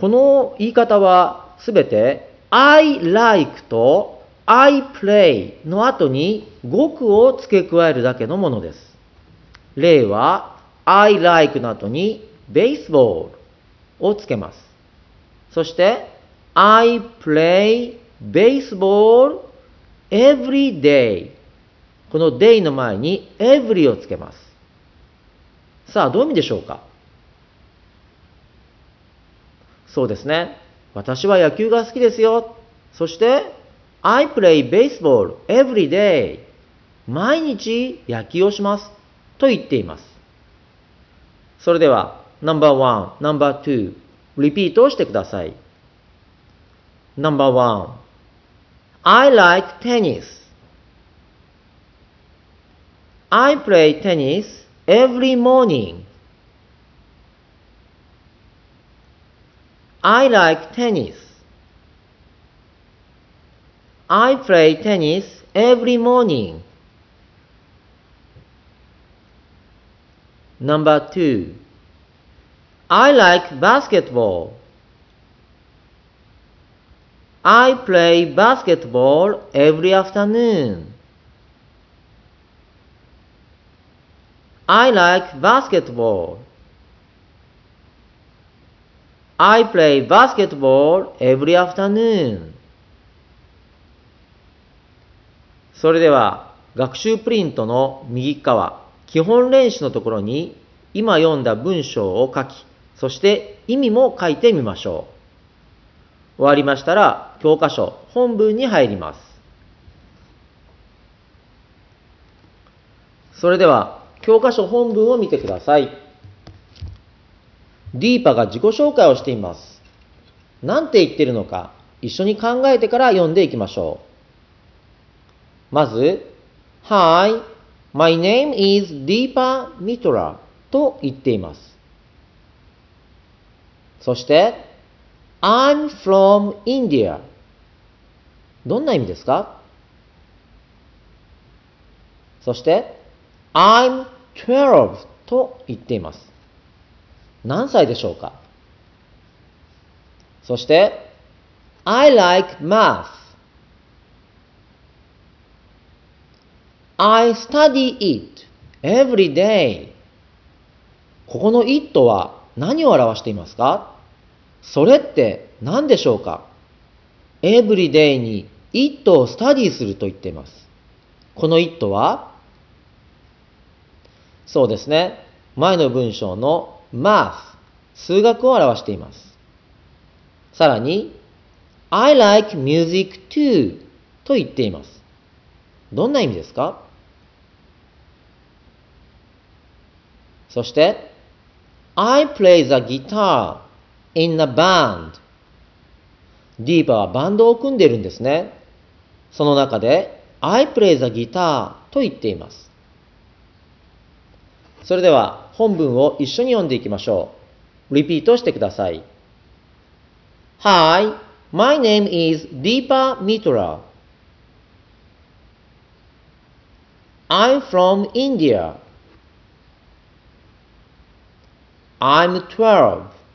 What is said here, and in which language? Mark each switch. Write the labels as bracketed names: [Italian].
[Japanese] この言い方はすべて [English] I like [Japanese] と [English] I play [Japanese] の後に語句を付け加えるだけのものです。例は [English] I like [Japanese] の後にベースボールをつけます。そして [English] I play baseball every day、 [Japanese] この day の前に every をつけます。さあどういう意味でしょうか。そうですね、私は野球が好きですよ。そして [English] I play baseball every day、 [Japanese] 毎日野球をしますと言っています。それではナンバーワン、ナンバーツー、リピートをしてください。 [English] ナンバーワン、I like tennis. I play tennis every morning. I like tennis. I play tennis every morning. ナンバーツー、I like basketball. I play basketball every afternoon. I like basketball. I play basketball every afternoon. [Japanese] それでは学習プリントの右側、基本練習のところに今読んだ文章を書き、そして意味も書いてみましょう。終わりましたら教科書本文に入ります。それでは教科書本文を見てください。ディーパが自己紹介をしています。なんて言ってるのか一緒に考えてから読んでいきましょう。まず [English] Hi, my name is Deepa Mitra [Japanese] と言っています。 [English] そして、I'm from India. [Japanese] どんな意味ですか？そして、 [English] I'm 12 [Japanese] と言っています。何歳でしょうか？ [English] そして、I like math. I study it every day. [Japanese] ここの it は何を表していますか？それって何でしょうか。 [English] Every day [Japanese] に it を study すると言っています。この it は、そうですね、前の文章の math 数学を表しています。さらに [English] I like music too [Japanese] と言っています。どんな意味ですか。 [English] そして I play the guitarIn a band. [Japanese] ディーパはバンドを組んでいるんですね。その中で [English] I play the guitar [Japanese] と言っています。それでは本文を一緒に読んでいきましょう。リピートしてください。 [English] Hi, my name is Deepa Mitra. I'm from India. I'm 12.